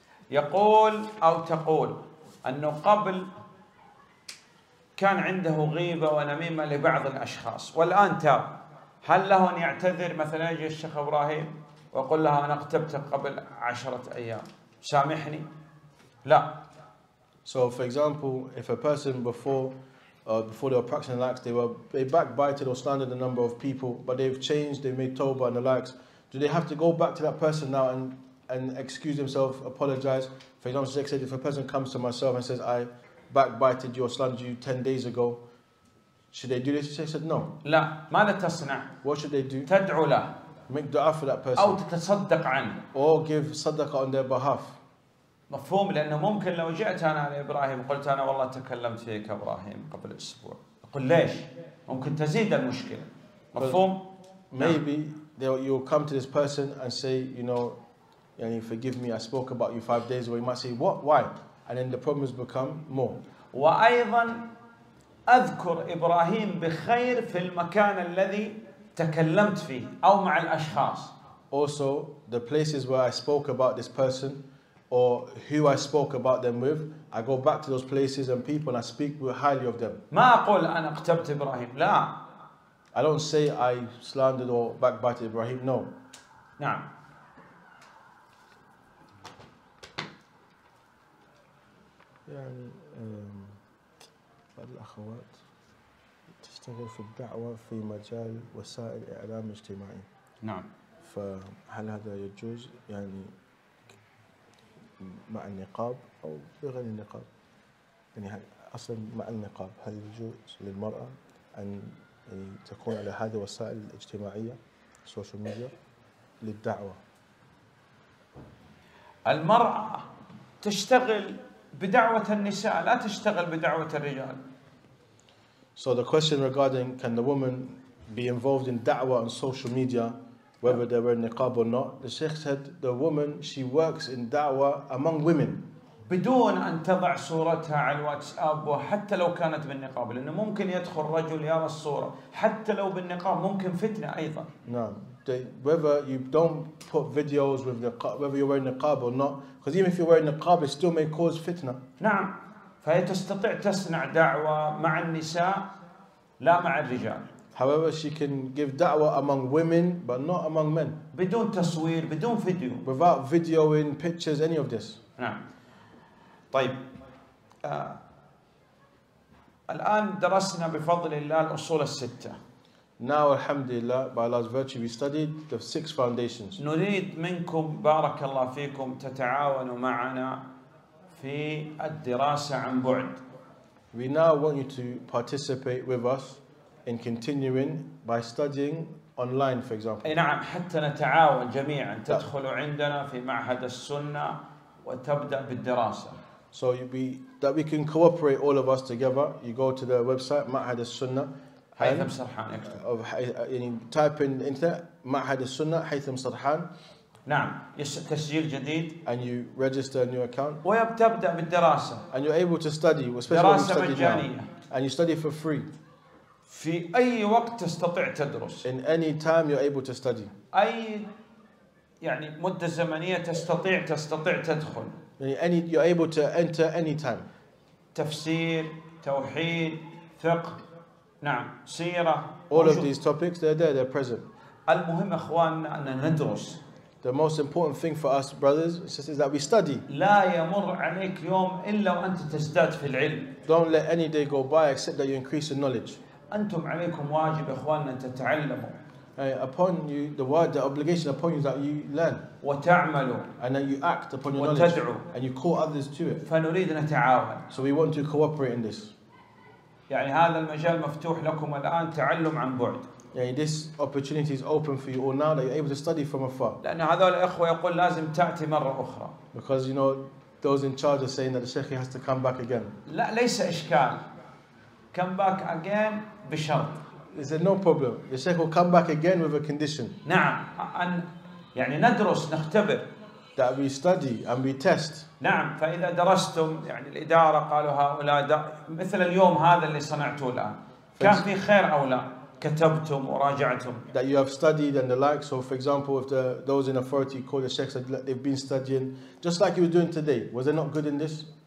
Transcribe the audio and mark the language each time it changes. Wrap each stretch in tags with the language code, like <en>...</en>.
<ar>يقول أو تقول أنه قبل كان عنده غيبة ونميمة لبعض الأشخاص والآن تاب، هل له أن يعتذر؟ مثلا يجي الشيخ إبراهيم ويقول له أنا اغتبتك قبل 10 أيام سامحني؟ لا.</ar> <en>So for example, if a person before they were practicing the likes, they backbited or slandered a number of people, but they've changed, they've made tawbah and the likes, do they have to go back to that person now and excuse themselves, apologize? For example, Sheikh said, if a person comes to myself and says, I backbited you or slandered you 10 days ago, should they do this? Sheikh said, no.</en> <ar>لا. ما تصنع؟</ar> <en>What should they do?</en> <ar>تدعو له.</ar> <en>Make dua for that person.</en> <ar>أو تتصدق عنه.</ar> <en>Or give sadaqah on their behalf.</en> <ar>مفهوم، لأنه ممكن لو جئت أنا على إبراهيم قلت أنا والله تكلمت فيك إبراهيم قبل أسبوع، أقول ليش؟ ممكن تزيد المشكلة. مفهوم؟</ar> <en>Maybe you'll come to this person and say, you know,</en> <ar>يعني</ar> <en>forgive me, I spoke about you 5 days ago. You might say, what? Why? And then the problems become more.</en> <ar>وأيضا أذكر إبراهيم بخير في المكان الذي تكلمت فيه أو مع الأشخاص.</ar> <en>Also, the places where I spoke about this person or who I spoke about them with, I go back to those places and people and I speak highly of them.</en> <ar>ما أقول أنا اقتبت إبراهيم، لا.</ar> <en>I don't say I slandered or backbited Ibrahim, no.</en> <ar>نعم. يعني بعض الأخوات تشتغل في الدعوة في مجال وسائل إعلام اجتماعي. نعم. فهل هذا يجوز يعني مع النقاب أو بغير النقاب؟ يعني أصلا مع النقاب هل يجوز للمرأة أن تكون على هذه الوسائل الاجتماعية السوشيال ميديا للدعوة؟ المرأة تشتغل بدعوة النساء، لا تشتغل بدعوة الرجال.</ar> <en>So the question regarding can the woman be involved in da'wah on social media whether they wear niqab or not, the Sheikh said the woman, she works in da'wah among women.</en> <ar>بدون أن تضع صورتها على الواتساب وحتى لو كانت بالنقاب، لأنه ممكن يدخل رجل يرى الصورة حتى لو بالنقاب، ممكن فتنة أيضا. نعم.</ar> <en>Whether you don't put videos with the whether you're wearing niqab or not, because even if you're wearing niqab, it still may cause fitna.</en> <ar>نعم. فهي تستطيع تصنع دعوة مع النساء لا مع الرجال.</ar> <en>However, she can give da'wah among women, but not among men.</en> <ar>بدون تصوير، بدون فيديو.</ar> <en>Without videoing, pictures, any of this.</en> <ar>نعم. طيب. الآن درسنا بفضل الله الأصول الستة.</ar> <en>Now, alhamdulillah, by Allah's virtue, we studied the 6 foundations.</en> <ar>نريد منكم بارك الله فيكم تتعاونوا معنا في الدراسة عن بعد.</ar> <en>We now want you to participate with us in continuing by studying online, for example.</en> <ar>نعم حتى نتعاون جميعا تدخلوا عندنا في معهد السنة وتبدأ بالدراسة.</ar> <en>So you be that we can cooperate all of us together. You go to the website معهد السنة.</en> <ar>حيثم سرحان اكتب.</ar> <en>Of</en> <ar>يعني</ar> <en>type in</en> <ar>أنت معهد السنة حيثم سرحان. نعم تسجيل جديد.</ar> <en>And you register a new account.</en> <ar>وتبدأ بالدراسة.</ar> <en>And you're able to study, especially when you study now. And you study for free.</en> <ar>في أي وقت تستطيع تدرس.</ar> <en>In any time you're able to study.</en> <ar>أي يعني مدة زمنية تستطيع تدخل.</ar> <en>Any, you're able to enter any time.</en> <ar>تفسير، توحيد، فقه، نعم، سيرة.</ar> <en>All of these topics, they're present.</en> <ar>المهم إخواننا أن ندرس.</ar> <en>The most important thing for us, brothers, sisters, is that we study.</en> <ar>لا يمر عليك يوم إلا وأنت تزداد في العلم.</ar> <en>Don't let any day go by except that you increase in knowledge.</en> <ar>أنتم عليكم واجب إخواننا أن تتعلموا.</ar> <en>Upon you, the obligation upon you is that you learn.</en> <ar>وتعملوا.</ar> <en>And that you act upon your</en> <ar>وتدعو.</ar> <en>Knowledge. And you call others to it.</en> <ar>فنريد أن نتعاون.</ar> <en>So we want to cooperate in this.</en> <ar>يعني هذا المجال مفتوح لكم الآن تعلم عن بعد. يعني</ar> <en>this opportunity is open for you all now that you're able to study from afar.</en> <ar>لأن هذول الأخوة يقول لازم تأتي مرة أخرى.</ar> <en>Because you know those in charge are saying that the sheikh has to come back again.</en> <ar>لا ليس إشكال.</ar> <en>Come back again</en> <ar>بشرط.</ar> <en>Is there no problem? The sheikh will come back again with a condition.</en> <ar>نعم أن يعني ندرس نختبر.</ar> <en>That we study and we test.</en> <ar>نعم فإذا درستم يعني الإدارة قالوا هؤلاء مثل اليوم هذا اللي صنعته الآن. كان في خير أو لا؟ كتبتم وراجعتم.</ar> <en>That you have studied and the like. So for example, if those in authority call the sheikh that they've been studying, just like you were doing today, was it not good in this?</en>